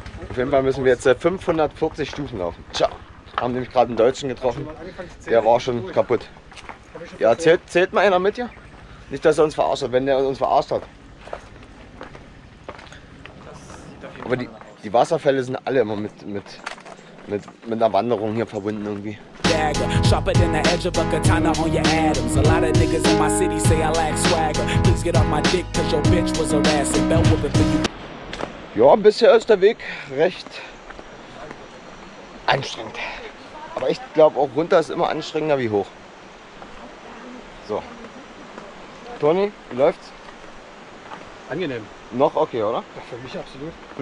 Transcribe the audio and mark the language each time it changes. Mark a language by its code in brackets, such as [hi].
[de] Auf jeden Fall müssen wir jetzt 540 Stufen laufen. Ciao. Haben nämlich gerade einen Deutschen getroffen. Der war schon kaputt. Ja, zählt mal einer mit dir? Nicht, dass er uns verarscht hat, wenn der uns verarscht hat. Aber die Wasserfälle sind alle immer mit einer Wanderung hier verbunden irgendwie. [en] Dagger, sharper than the edge of a katana on your Adams. A lot of niggas in my city say I lack swagger. Please get off my dick, cause your bitch was a ass and belt whooping for you. [de] Ja, bisher ist der Weg recht anstrengend. Aber ich glaube auch runter ist immer anstrengender wie hoch. So. Toni, wie läuft's? Angenehm. Noch okay, oder? Ja, für mich absolut.